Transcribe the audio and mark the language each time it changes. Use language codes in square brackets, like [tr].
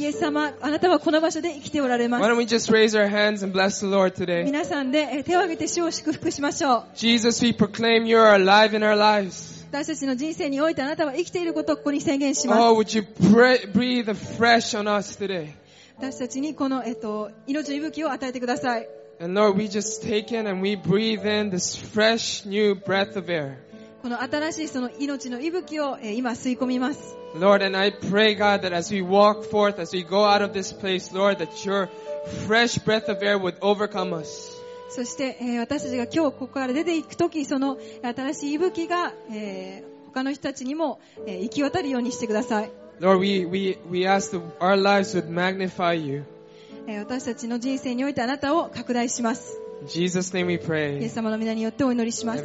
[ja] イエス様、あなたはこの場所で生きておられます。 [en] Why don't we just raise our hands and bless the Lord today? [ja] 皆さんで手を挙げて主を祝福しましょう。 [en] Jesus, we proclaim you're alive in our lives. [ja] 私たちの人生においてあなたは生きていることをここに宣言します。 [en] Oh, would you breathe fresh on us today? [ja] 私たちにこの命の息吹を与えてください。 [en] And Lord, we just take in and we breathe in this fresh new breath of air. [ja] この新しいその命の息吹を今吸い込みます。 [en] Lord, and I pray, God, that as we walk forth, as we go out of this place, Lord, that your fresh breath of air would overcome us. [ja] そして私たちが今日ここから出ていくとき、その新しい息吹が他の人たちにも行き渡るようにしてください。 [en] Lord, we ask that our lives would magnify you. [ja] 私たちの人生においてあなたを拡大します。 [en] In Jesus' name we pray. [ja] イエス様の名によってお祈りします。